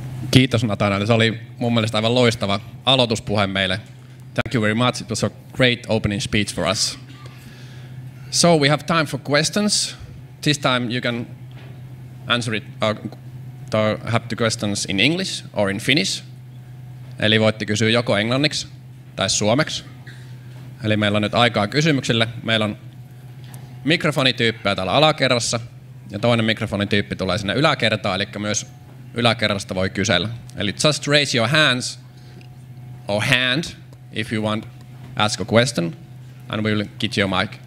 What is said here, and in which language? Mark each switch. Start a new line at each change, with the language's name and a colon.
Finnish: Kiitos Natanael, se oli mun mielestä aivan loistava aloituspuhe meille.
English: Thank you very much, it was a great opening speech for us. So we have time for questions. This time you can answer it, have the questions in English or in Finnish.
Finnish: Eli voitte kysyä joko englanniksi tai suomeksi. Eli meillä on nyt aikaa kysymyksille. Meillä on mikrofonityyppejä täällä alakerrassa ja toinen mikrofonityyppi tulee sinne yläkertaan, eli myös yläkerrasta voi kysellä.
English: Eli just raise your hands or hand if you want ask a question and we will get your mic.